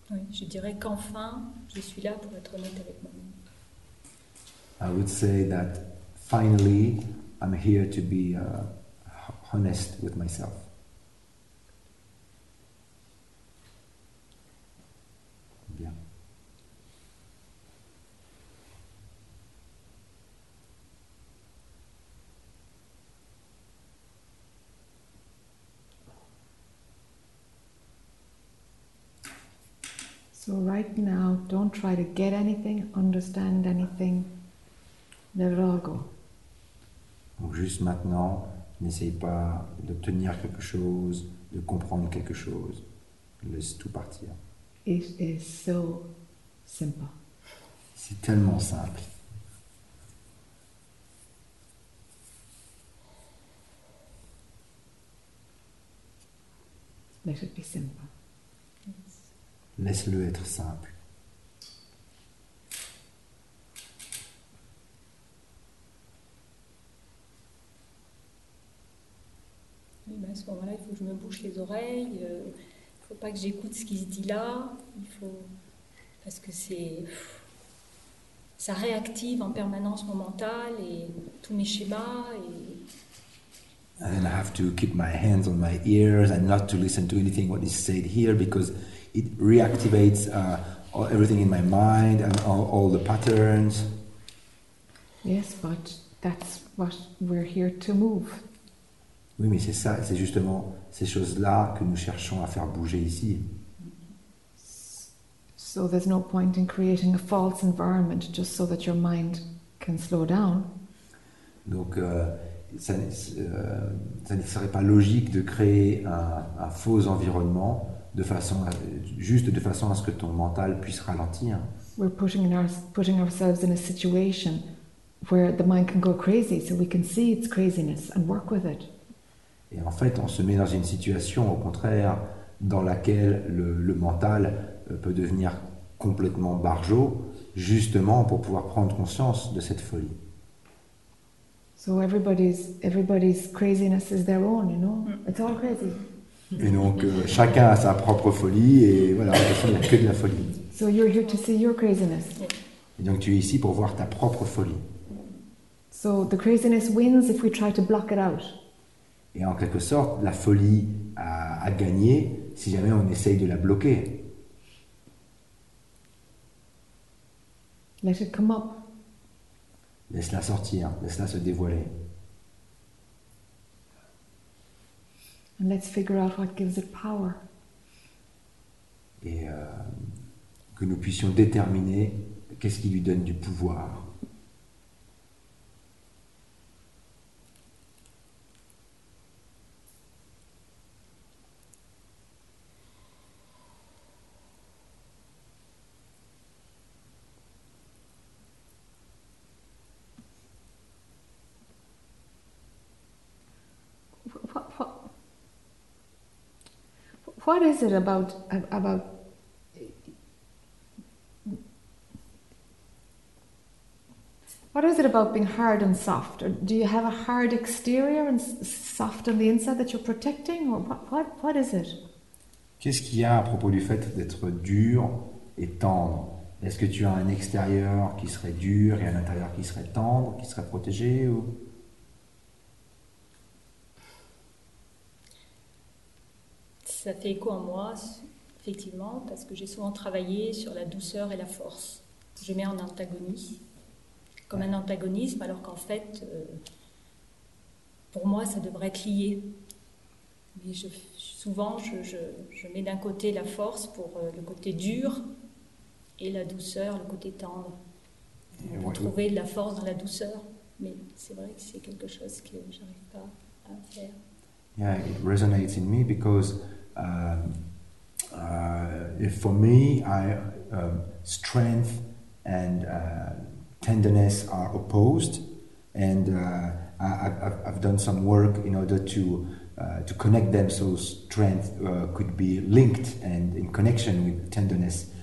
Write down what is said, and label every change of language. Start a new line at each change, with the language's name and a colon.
French: Je dirais qu'enfin, je suis là pour être honnête avec moi-même.
English: I would say that finally, I'm here to be honest with myself.
French: Bien.
English: So right now, don't try to get anything, understand anything. Let it all go.
French: Donc juste maintenant, n'essaye pas d'obtenir quelque chose, de comprendre quelque chose. Laisse tout partir.
English: It is so simple.
French: C'est tellement simple.
English: Let it be simple.
French: Laisse-le être simple. Oui, ben à ce moment-là, il faut que je me bouche les oreilles. Il ne faut pas que j'écoute ce qui se dit là. Il faut... Parce que c'est... Ça réactive en permanence mon mental et tous mes schémas et...
English: And then I have to keep my hands on my ears and not to listen to anything what is said here because it reactivates everything in my mind and all the patterns. Yes, but that's what we're here to move.
French: Oui, mais c'est ça, c'est justement ces choses-là que nous cherchons à faire bouger ici.
English: So there's no point in creating a false environment just so that your mind can slow down.
French: Donc, ça ne serait pas logique de créer un faux environnement de façon à, juste de façon à ce que ton mental puisse ralentir.
English: We're putting ourselves in a situation where the mind can go crazy, so we can see its craziness and work with it.
French: Et en fait, on se met dans une situation, au contraire, dans laquelle le mental peut devenir complètement barjot, justement pour pouvoir prendre conscience de cette folie.
English: So everybody's craziness is their own, you know. It's all crazy.
French: Et donc chacun a sa propre folie et voilà, il n'y a que de la folie.
English: So you're here to see your craziness.
French: Et donc tu es ici pour voir ta propre folie.
English: So the craziness wins if we try to block it out.
French: Et en quelque sorte, la folie a gagné si jamais on essaye de la bloquer.
English: Let it come up.
French: Laisse-la sortir, laisse-la se dévoiler.
English: And let's figure out what gives it power.
French: Et que nous puissions déterminer qu'est-ce qui lui donne du pouvoir.
English: What is it about being hard and soft? Or do you have a hard exterior and soft on the inside that you're protecting? Or what is it?
French: Qu'est-ce qu'il y a à propos du fait d'être dur et tendre? Est-ce que tu as un extérieur qui serait dur et un intérieur qui serait tendre, qui serait protégé ou... Ça fait écho en moi, effectivement, parce que j'ai souvent travaillé sur la douceur et la force. Je mets en antagonie, comme un antagonisme, alors qu'en fait, pour moi, ça devrait être lié. Mais je mets d'un côté la force pour le côté dur et la douceur, le côté tendre. On peut trouver de la force dans la douceur, mais c'est vrai que c'est quelque chose que j'arrive pas à faire.
English: Yeah, it resonates in me because if for me, I strength and tenderness are opposed, and I've done some work in order to connect them, so strength could be linked and in connection with tenderness.